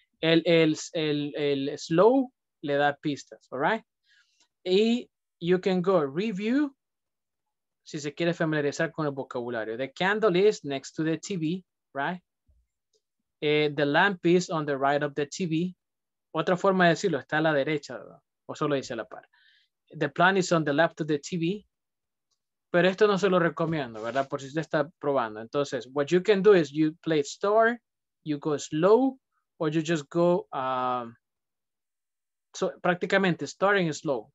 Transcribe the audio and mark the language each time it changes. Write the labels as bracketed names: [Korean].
[Spanish] El slow le da pistas, [English] all right? [Spanish] Y [English] you can go review, [Spanish] si se quiere familiarizar con el vocabulario. [English] The candle is next to the TV, right? The lamp is on the right of the TV. [Spanish] Otra forma de decirlo, está a la derecha, ¿no? O solo dice a la par. [English] The plant is on the left of the TV. [Spanish] Pero esto no se lo recomiendo, ¿verdad? Por si usted está probando. Entonces, [English] what you can do is you play store, you go slow, or you just go, so [Spanish] prácticamente [English] starting slow.